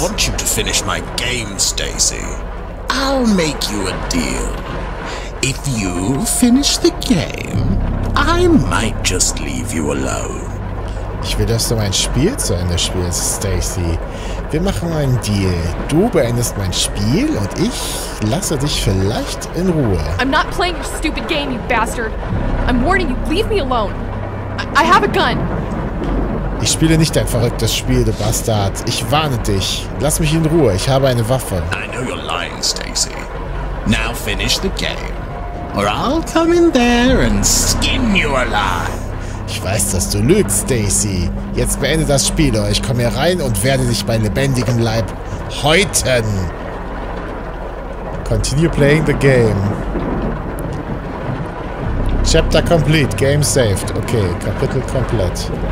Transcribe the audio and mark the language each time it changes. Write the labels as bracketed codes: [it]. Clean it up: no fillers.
[en] I want you to finish my game, Stacy. I'll make you a deal. If you finish the game, I might just leave you alone. [de] Ich will, dass du mein Spiel zu Ende spielst, Stacy. Wir machen einen Deal. Du beendest mein Spiel und ich lasse dich vielleicht in Ruhe. [en] I'm not playing your stupid game, you bastard. I'm warning you, leave me alone. I have a gun. [de] Ich spiele nicht dein verrücktes Spiel, du Bastard. Ich warne dich. Lass mich in Ruhe. Ich habe eine Waffe. [en] I know you're lying, Stacy. Now finish the game. Or I'll come in there and skin you alive. [de] Ich weiß, dass du lügst, Stacy. Jetzt beende das Spiel, oder ich komme hier rein und werde dich bei lebendigem Leib häuten. [en] Continue playing the game. Chapter complete. Game saved. Okay, [de] Kapitel komplett.